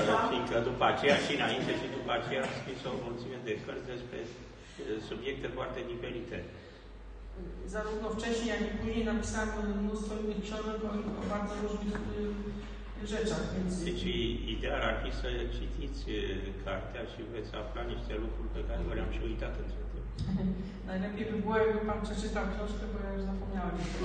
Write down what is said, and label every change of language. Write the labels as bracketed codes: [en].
[ro] Fiindcă după aceea și înainte și după aceea am scris o mulțime de cărți despre subiecte foarte diferite. [pl] Zarówno wcześniej, jak i później napisałem mnóstwo innych książek o bardzo różnych rzeczach. Czyli [ro] idea ar fi să citiți cartea și veți afla niște lucruri pe care vreau și uitat între timp. [pl] Najlepiej by było, jakby pan przeczytał książkę, bo ja już zapomniałem.